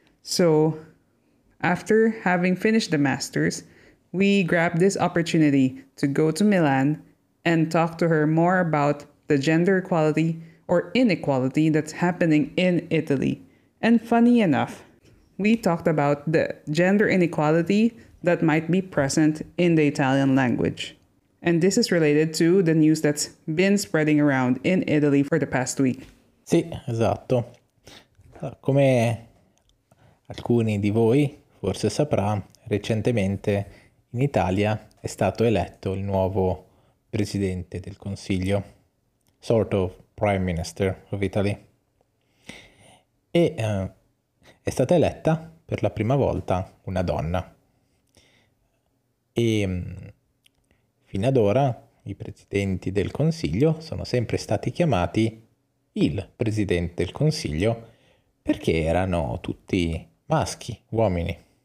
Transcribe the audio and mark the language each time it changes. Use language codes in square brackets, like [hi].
[en] So after having finished the master's, we grabbed this opportunity to go to Milan and talk to her more about the gender equality or inequality that's happening in Italy. And funny enough, we talked about the gender inequality that might be present in the Italian language. And this is related to the news that's been spreading around in Italy for the past week. [it] Sì, esatto. Come alcuni di voi forse saprà, recentemente in Italia è stato eletto il nuovo presidente del Consiglio. [en] Sort of Prime Minister of Italy. [it] E è stata eletta per la prima volta una donna. E fino ad ora i presidenti del Consiglio sono sempre stati chiamati il Presidente del Consiglio perché erano tutti maschi, uomini.